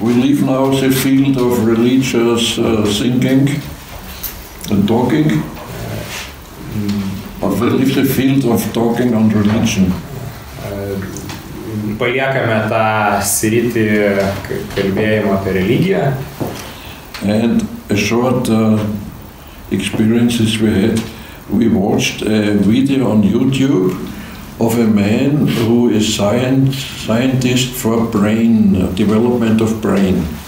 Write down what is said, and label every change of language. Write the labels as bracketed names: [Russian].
[English] We leave now the field of religious thinking and talking. But we leave the field of talking on religion. [Lithuanian] Paliekame tą sritį kalbėjimo apie religiją. [English] And a short experiences we had. We watched a video on YouTube of a man who is scientist for brain development of brain.